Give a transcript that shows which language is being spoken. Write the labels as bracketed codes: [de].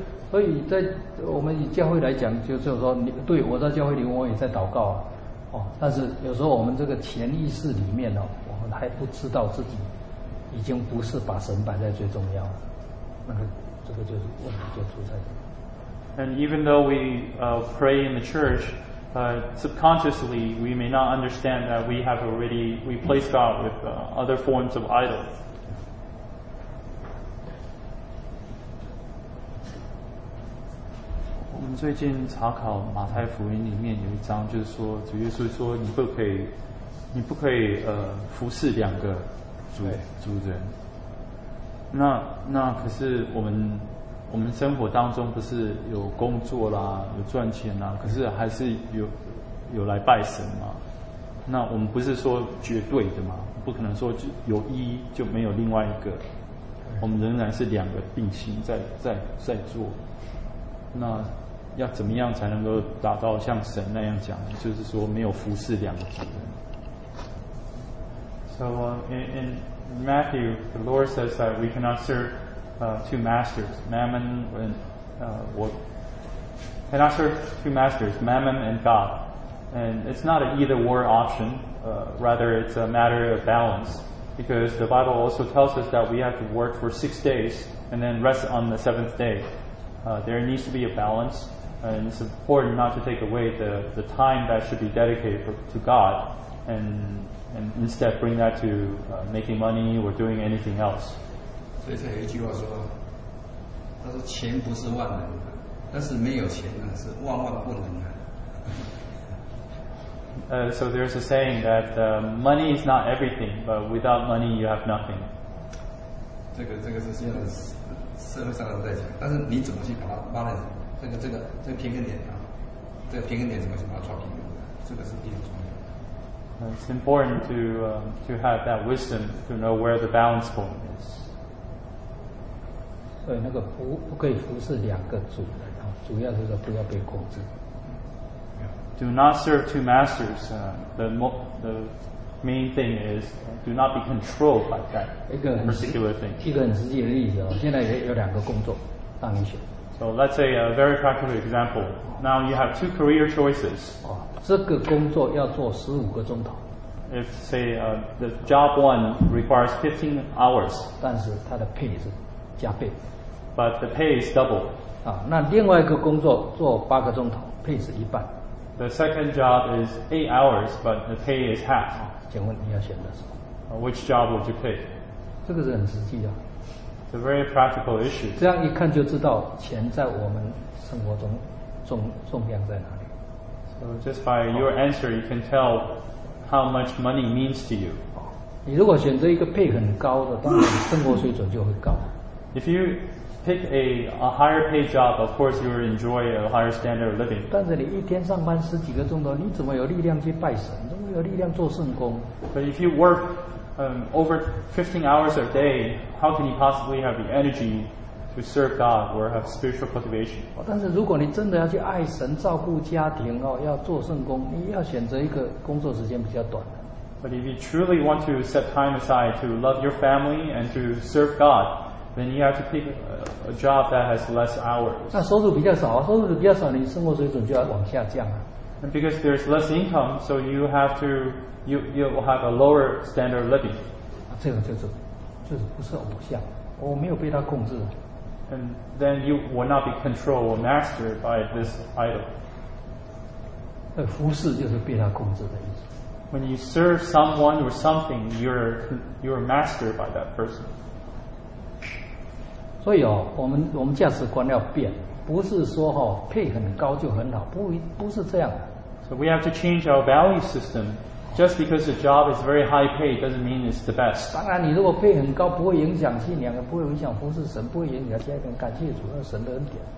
[zh] 所以在我们以教会来讲，就是说，对我在教会里我也在祷告，但是有时候我们这个潜意识里面我们还不知道自己已经不是把神摆在最重要，那个这个就是问题就出在。 [en] And even though we pray in the church, subconsciously we may not understand that we have already we place God with other forms of idols. [zh] 我们最近查考马太福音里面有一章，就是说主耶稣说你不可以服侍两个主人。那可是我们生活当中不是有工作啦，有赚钱啦，可是还是有来拜神嘛。那我们不是说绝对的嘛，不可能说有一就没有另外一个，我们仍然是两个并行在做。那要怎么样才能够达到像神那样讲，就是说没有服侍两个主人。 [en] So in Matthew, the Lord says that we cannot serve. Two masters, Mammon and cannot serve two masters, Mammon and God. And it's not an either or option, rather, it's a matter of balance. Because the Bible also tells us that we have to work for 6 days and then rest on the seventh day. There needs to be a balance, and it's important not to take away the time that should be dedicated to God and instead bring that to making money or doing anything else. [zh] 所以才有一句话说，他说钱不是万能的，但是没有钱呢是万万不能的。 [en] So there's a saying that money is not everything, but without money you have nothing. [zh] 这个是现在社会上都在讲，但是你怎么去把它拉在这个平衡点啊？这个平衡点怎么去把它抓平衡的？这个是非常重要的。 [en] It's important to have that wisdom to know where the balance point is. [zh] 对，那个不可以服侍两个主人，主要就是不要被控制。 [en] Do not serve two masters. The main thing is do not be controlled by that particular thing. [zh] 一个很实际的例子，现在有两个工作让你选。 [en] So let's say a very practical example. Now you have two career choices. [zh] 这个工作要做15个钟头。 [en] If say the job one requires 15 hours. [zh] 但是它的 pay 是加倍。 [en] But the pay is double. [zh] 那另外一个工作做8个钟头 ,pay 是一半。 [en] The second job is 8 hours, but the pay is half. [zh] 请问你要选的是 [en] Which job would you pick? [zh] 这个是很实际的。 [en] It's a very practical issue. [zh] 这样一看就知道钱在我们生活中重量在哪里。 [en] So just by your answer, you can tell how much money means to you. [zh] 你如果选择一个 pay 很高的，当然生活水准就会高。 [en] If you pick a higher paid job, of course you will enjoy a higher standard of living. [zh] 但是你一天上班十几个钟头，你怎么有力量去拜神？怎么有力量做圣工？ [en] But if you work over 15 hours a day, how can you possibly have the energy to serve God or have spiritual cultivation? [zh] 但是如果你真的要去爱神、照顾家庭哦，要做圣工，你要选择一个工作时间比较短的。 [en] But if you truly want to set time aside to love your family and to serve God, then you have to pick a job that has less hours. [zh] 那收入比较少，收入比较少，你生活水准就要往下降啊。 [en] And because there's less income, so you have to you will have a lower standard of living. [zh] 这个就是不是偶像，我没有被他控制。 [en] And then you will not be controlled or mastered by this idol. [zh] 服侍就是被他控制的意思。 [en] When you serve someone or something, you're mastered by that person. [zh] 所以哦，我们价值观要变，不是说哦配很高就很好，不是这样的。 [en] So we have to change our value system. Just because the job is very high paid doesn't mean it's the best. [zh] 当然，你如果配很高，不会影响信仰，不会影响服侍神，不会影响家庭，感谢主和神的恩典。